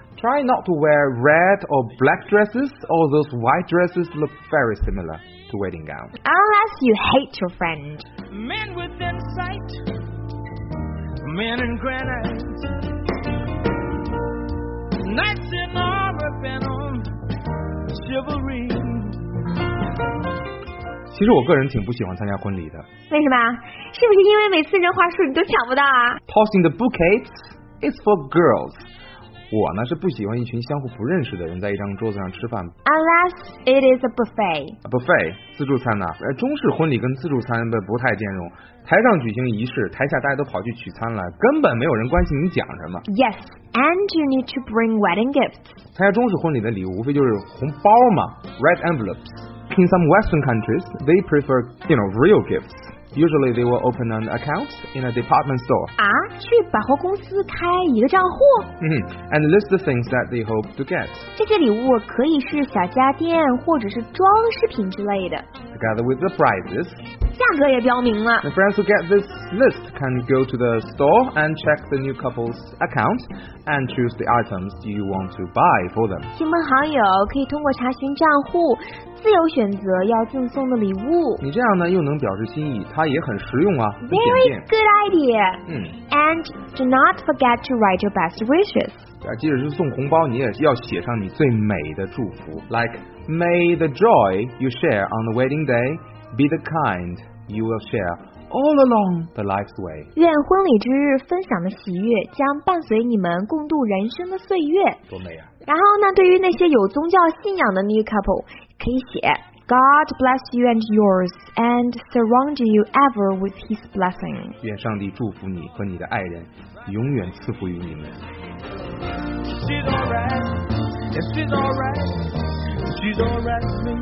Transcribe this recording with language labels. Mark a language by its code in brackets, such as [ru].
[en] Try not to wear red or black dresses. All those white dresses look very similar to wedding gown. Unless you hate your friend. Men within sight, men in granite, knights in armor bent on chivalry. [zh] 其实我个人挺不喜欢参加婚礼的。为什么？是不是因为每次人话术你都抢不到啊？ [en] Tossing the bouquets is for girls. [zh] 我呢是不喜欢一群相互不认识的人在一张桌子上吃饭。 [en] Unless it is a buffet. [zh] A buffet 自助餐呢、啊、中式婚礼跟自助餐不太兼容，台上举行仪式，台下大家都跑去取餐了，根本没有人关心你讲什么。 [en] Yes, and you need to bring wedding gifts. [zh] 参加中式婚礼的礼物无非就是红包嘛， [en] Red envelopesIn some Western countries, they prefer, you know, real gifts. Usually they will open an account in a department store. [zh] 啊，去百货公司开一个账户？ [en] 嗯、mm-hmm. And list the things that they hope to get. [zh] 这些礼物可以是小家电或者是装饰品之类的。 [en] Together with the prizes. [zh] 价格也标明了。 [en] The friends who get this list can go to the store and check the new couple's account and choose the items you want to buy for them. [zh] 亲朋好友可以通过查询账户自由选择要赠送的礼物。你这样呢又能表示心意，它也很实用啊。 [en] Very good idea、 [zh] 嗯、 [en] And do not forget to write your best wishes. [zh] 即使是送红包你也要写上你最美的祝福。 [en] Like May the joy you share on the wedding day be the kind you will share all along the life's way. [zh] 愿婚礼之日分享的喜悦将伴随你们共度人生的岁月。多美啊。然后呢，对于那些有宗教信仰的 new couple 可以写 [en] God bless you and yours and surround you ever with his blessing. [zh] 愿上帝祝福你和你的爱人，永远赐福于你们。 [en] She's alright, yes she's alright, she's alright with me.